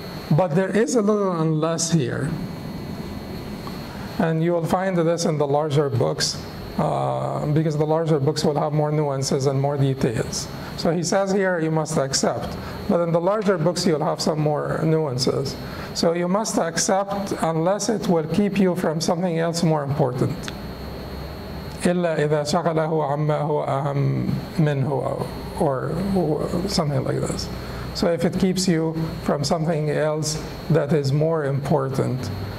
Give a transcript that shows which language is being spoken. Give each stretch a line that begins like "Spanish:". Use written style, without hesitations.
English: But there is a little unless here. And you will find this in the larger books, because the larger books will have more nuances and more details. So he says here, you must accept. But in the larger books, you'll have some more nuances. So you must accept unless it will keep you from something else more important.
Arabic: إِلَّا إِذَا شَغَلَهُ عَمَّا هُوَ أَهَمْ مِنْهُ
English: or something like this. So if it keeps you from something else that is more important.